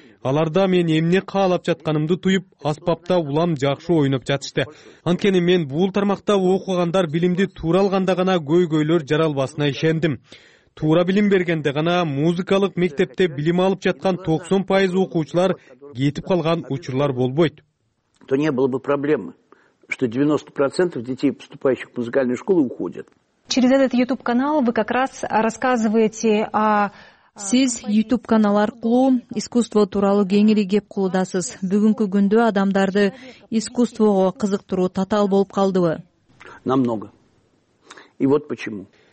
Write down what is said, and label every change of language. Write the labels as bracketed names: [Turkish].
[Kyrgyz] Аларда мен эмне каалап жатканымды туюп, аспапта улам жакшы ойноп жатышты. Анткени мен бул тармакта окугандар билимди туура алганда гана көйгөйлөр жаралбасына ишендим. Туура билим бергенде гана музыкалык мектепте билим алып жаткан 90% окуучулар кетип калган учурлар болбойт. [Russian] То не было бы проблемы, что 90% детей, поступающих в музыкальную школу, уходят. Через этот YouTube-канал вы как раз рассказываете о... [Kyrgyz] Сиз YouTube-канал аркылуу искусство тууралуу кеңири кеп кылдасыз. Бүгүнкү күндө адамдарды искусствого кызыктыруу татаал болуп калдыбы? [Russian] Намного. И вот почему.